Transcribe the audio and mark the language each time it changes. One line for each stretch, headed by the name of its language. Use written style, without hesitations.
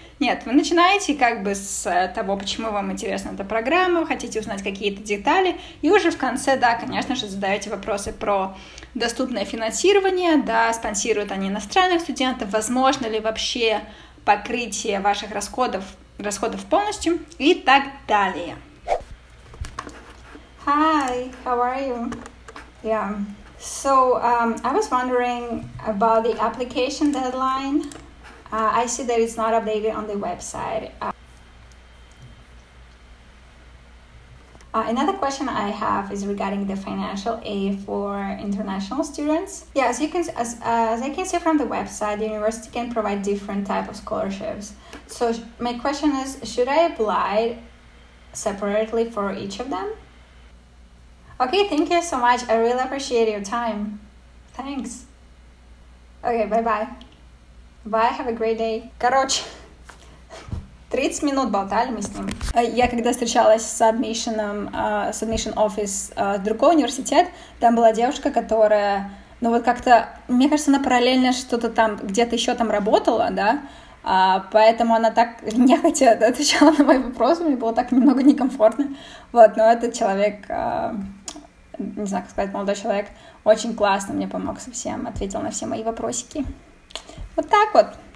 Russian: Нет, вы начинаете как бы с того, почему вам интересна эта программа, хотите узнать какие-то детали, и уже в конце, да, конечно же, задаете вопросы про доступное финансирование, да, спонсируют они иностранных студентов, возможно ли вообще покрытие ваших расходов полностью, и так далее.
English: Hi, how are you? Yeah. So, I was wondering about the application deadline. I see that it's not updated on the website. Another question I have is regarding the financial aid for international students. Yeah, as I can see from the website, the university can provide different type of scholarships. So my question is, should I apply separately for each of them? Okay, thank you so much. I really appreciate your time. Thanks. Okay, bye-bye. Bye, have a great day.
Russian: Короче, 30 минут болтали мы с ним. Я когда встречалась с
English: admission office
Russian: с другого университета, там была девушка, которая Но вот как-то, мне кажется, она параллельно что-то там, где-то еще там работала, да, а, поэтому она так нехотя отвечала на мои вопросы, мне было так немного некомфортно, вот, но этот человек, не знаю, как сказать, молодой человек, очень классно мне помог со всем, ответил на все мои вопросики. Вот так вот.